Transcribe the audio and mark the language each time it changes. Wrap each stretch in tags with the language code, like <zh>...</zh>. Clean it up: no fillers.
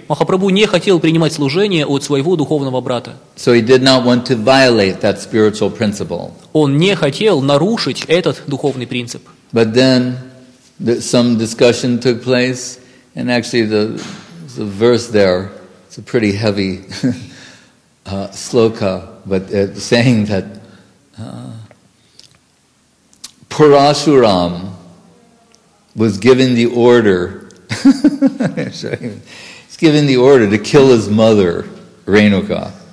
<ru>Махапрабху не хотел принимать служение от своего духовного брата.</ru> <en>So he did not want to violate that spiritual principle.</en> <ru>Он не хотел нарушить этот духовный принцип.</ru> <en>But then some discussion took place, and actually the verse there, it's a pretty heavy sloka, but it's saying that Parashuram was given the order, he's given the order to kill his mother, Renuka.</en>